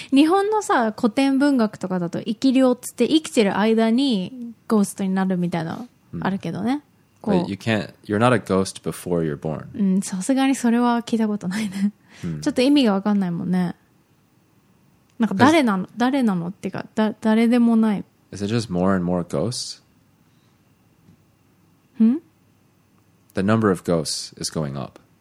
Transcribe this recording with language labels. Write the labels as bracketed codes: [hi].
[ja] 日本のさ、古典文学とかだと、生き霊つって生きてる間にゴーストになるみたいなあるけどね。うん、 [en] こう、you can't, you're not a ghost before you're born. [ja] うん、さすがにそれは聞いたことないね。うん、ちょっと意味がわかんないもんね。なんか誰なの、誰なのっていうか、誰でもない。 [en] Is it just more and more ghosts? ん？ The number of ghosts is going up.